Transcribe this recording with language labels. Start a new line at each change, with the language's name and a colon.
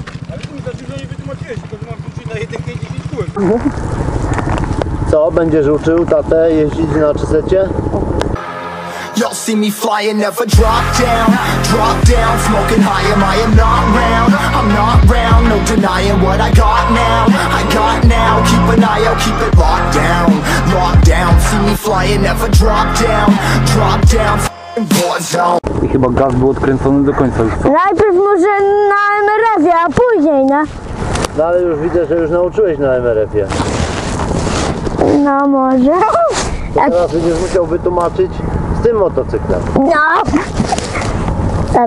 Polish: Ale ty mi za dużo nie wytłumaczyłeś, tylko że mam wrócić na 1,5 kółek. Co, będziesz uczył tatę jeździć na 300?
English: Y'all see me flying, never drop down, smoking high, am I am not round, I'm not round, no denying what I got now, keep an eye out, keep it locked down, see me flying, never drop down, f***ing warzone.
Polish: I chyba gaz był odkręcony do końca. Najpierw może na MRF-ie, a później, nie? No ale już widzę, że już nauczyłeś na MRF-ie. No może. To teraz będziesz musiał wytłumaczyć z tym motocyklem. No! Tata?